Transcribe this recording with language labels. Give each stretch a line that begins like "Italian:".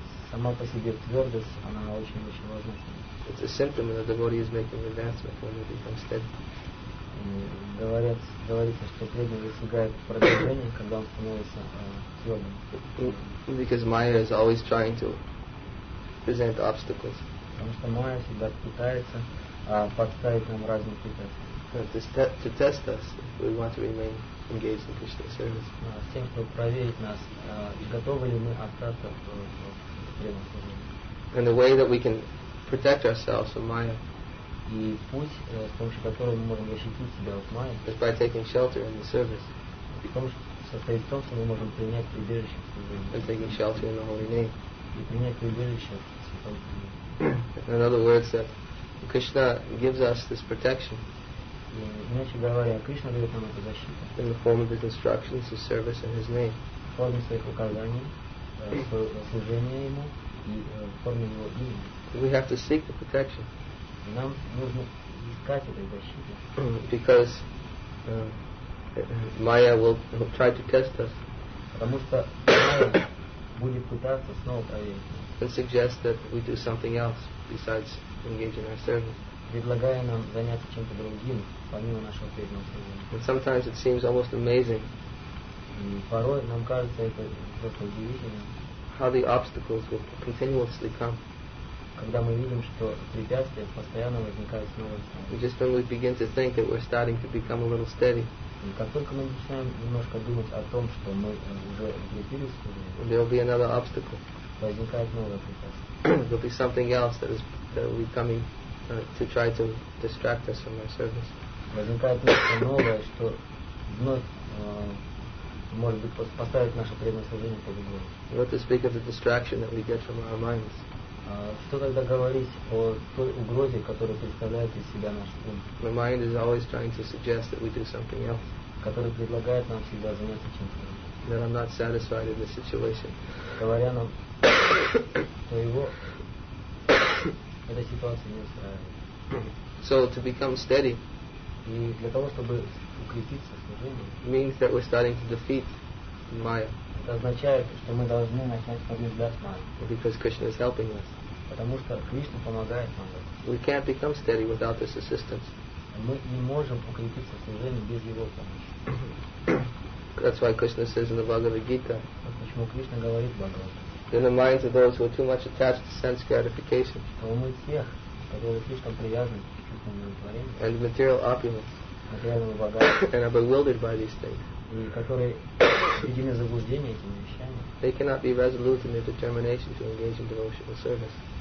Russian: Сама по себе твердость, она очень-очень важна.
English: It's a symptom that the body is making advancement when it becomes steady.
Russian: Говорится, что преданный достигает продвижения, когда он становится твердым.
English: Because Maya is always trying to present obstacles.
Russian: Потому что Майя всегда пытается подставить нам разные препятствия.
English: To test us, if we want to remain engaged in Krishna service.
Russian: С тем, чтобы проверить нас, готовы ли мы остаться в преданном служении.
English: And the way that we can protect ourselves from Maya.
Russian: И путь, с помощью которого мы можем защитить себя от Майи,
English: is by taking shelter in the service.
Russian: И состоит в том, что мы можем принять прибежище в служении.
English: And taking shelter in the holy name.
Russian: И принять прибежище в святом имени.
English: In other words, that Krishna gives us this protection.
Russian: И, иначе говоря, Кришна дает нам эту защиту.
English: In the form of his instructions, his service, and his name.
Russian: В форме своих указаний, служения ему и в форме его имени.
English: We have to seek the protection.
Russian: Нам нужно искать этой защиты.
English: Because Maya will try to test us.
Russian: Потому что Maya будет пытаться снова проверить.
English: And suggest that we do something else besides engaging our service.
Russian: Предлагая нам заняться чем-то другим, помимо нашего преданного служения.
English: And sometimes it seems almost amazing.
Russian: И порой нам кажется это просто удивительным.
English: How the obstacles will continuously come.
Russian: Когда мы видим, что препятствия постоянно возникают снова и снова.
English: Just when we begin to think that we're starting to become a little steady.
Russian: И как только мы начинаем немножко думать о том, что мы уже укрепились,
English: there will be another obstacle.
Russian: Возникает новое препятствие.
English: There'll be something else that is that will be coming to try to distract us from our service.
Russian: Возникает нечто новое, что вновь может быть поставить наше преданное служение под угрозу.
English: What to speak of the distraction that we get from our minds?
Russian: Что тогда говорить о той угрозе, которую представляет из себя наш ум?
English: My mind is always trying to suggest that we do something else.
Russian: Который предлагает нам всегда заняться чем-то другим.
English: That I'm not satisfied in the situation.
Russian: Говоря нам, что его эта ситуация не устраивает.
English: So to become steady,
Russian: И для того, чтобы укрепиться в служении,
English: means that we're starting to defeat Maya.
Russian: Это означает, что мы должны начать побеждать Майю.
English: Because Krishna is helping us.
Russian: Потому что Кришна помогает нам.
English: We can't become steady without His assistance.
Russian: Мы не можем укрепиться в служении без Его помощи.
English: That's why Krishna says in the Bhagavad Gita.
Russian: Вот почему Кришна говорит в Бхагавад Гите.
English: In the minds of those who are too much attached to sense gratification.
Russian: Что умы тех, которые слишком привязаны.
English: And material opulence, and are bewildered by these things. They cannot be resolute in their determination to engage in devotional service.